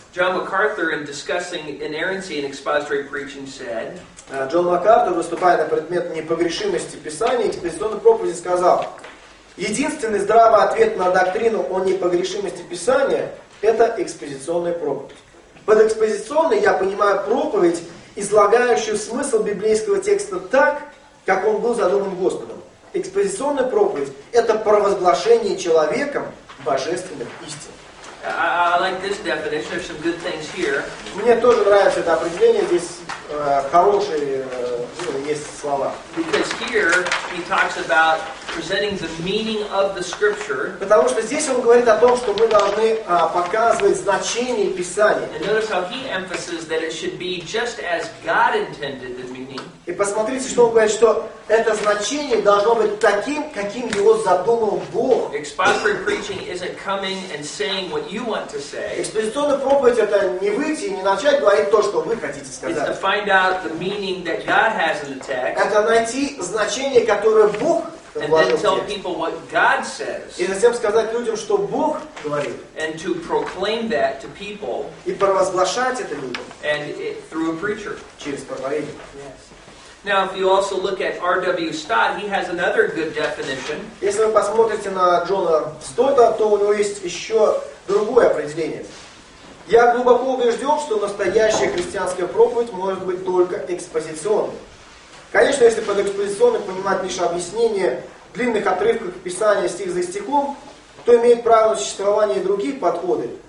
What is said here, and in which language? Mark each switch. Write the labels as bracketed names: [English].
[English] John MacArthur, in discussing inerrancy in expository preaching, said. [Russian] Джон МакАртур, выступая на предмет непогрешимости Писания, экспозиционной проповеди, сказал: единственный здравый ответ на доктрину о непогрешимости Писания – это экспозиционная проповедь. Под экспозиционной я понимаю проповедь, излагающую смысл библейского текста так, как он был задуман Господом. Экспозиционная проповедь – это провозглашение человеком божественных истин. [English] I like this definition. There's some good things here. [Russian] Мне тоже нравится это определение. Здесь хорошие есть слова. [English] Because here he talks about presenting the meaning of the scripture. [Russian] Потому что здесь он говорит о том, что мы должны показывать значение Писания. [English] And notice how he emphasizes that it should be just as God intended the meaning. [Russian] И посмотрите, что он говорит, что это значение должно быть таким, каким его задумал Бог. [English] Expository preaching isn't coming and saying what you want to say. [Russian] Экспозиционная проповедь это не выйти и не начать говорить то, что вы хотите сказать. [English] It's to find out the meaning that God has in the text. [Russian] Это найти значение, которое Бог [English] And then tell people what God says. [Russian] И затем сказать людям, что Бог говорит. [English] And to proclaim that to people. [Russian] И провозглашать это людям. [English] And it, through a preacher. [Russian] Через проповедника. [English] Yes. Now, if you also look at R.W. Stott, he has another good definition. [Russian] Если вы посмотрите на Джона Стотта, то у него есть еще другое определение. Я глубоко убежден, что настоящая христианская проповедь может быть только экспозиционной. Конечно, если под экспозиционным понимать лишь объяснение длинных отрывков Писания стих за стихом, то имеет право на существование и другие подходы.